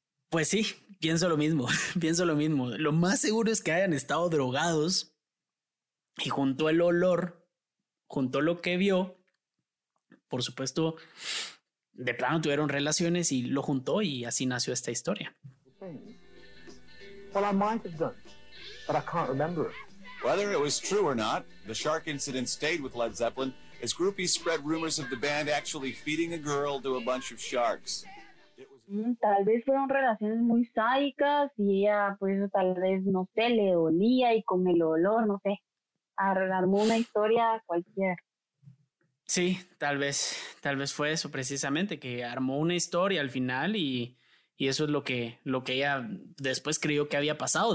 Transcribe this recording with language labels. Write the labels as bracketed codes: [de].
[es] Pues sí, pienso lo mismo. Lo más seguro es que hayan estado drogados y juntó el olor, juntó lo que vio. Por supuesto, de plano tuvieron relaciones y lo juntó y así nació esta historia. [en] Well, I might have done, but I can't remember. Whether it was true or not, the shark incident stayed with Led Zeppelin as groupies spread rumors of the band actually feeding a girl to a bunch of sharks. [es] Tal vez fueron relaciones muy sádicas y ella, pues, tal vez, no sé, le dolía y con el olor, no sé, armó una historia cualquiera. Sí, tal vez fue eso precisamente, que armó una historia al final y eso es lo que ella después creyó que había pasado.